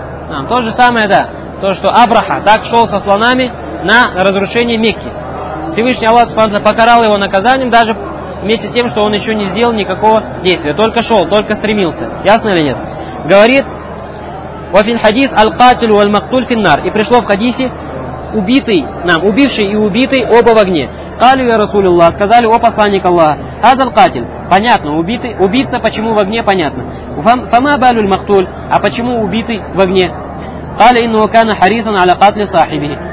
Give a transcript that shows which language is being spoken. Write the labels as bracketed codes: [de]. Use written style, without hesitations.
[ru] Нам. То же самое, да. То, что Абраха так шел со слонами на разрушение Мекки. Всевышний Аллах Субхану покарал его наказанием, даже вместе с тем, что он еще не сделал никакого действия. Только шел, только стремился. Ясно или нет? Говорит, [ar] وفي الحديث القاتل والمقتول في النار. [ru] И пришло в хадисе убитый, нам, убивший и убитый оба в огне. [ar] Калю я Расулиллах, [ru] сказали, о посланник Аллаха, [ar] хазал катель, [ru] понятно, убитый, убийца почему в огне, понятно. [ar] Фама балюль махтуль, [ru] а почему убитый в огне? [ar] Калю инну кана харисан аля катли сахибихи.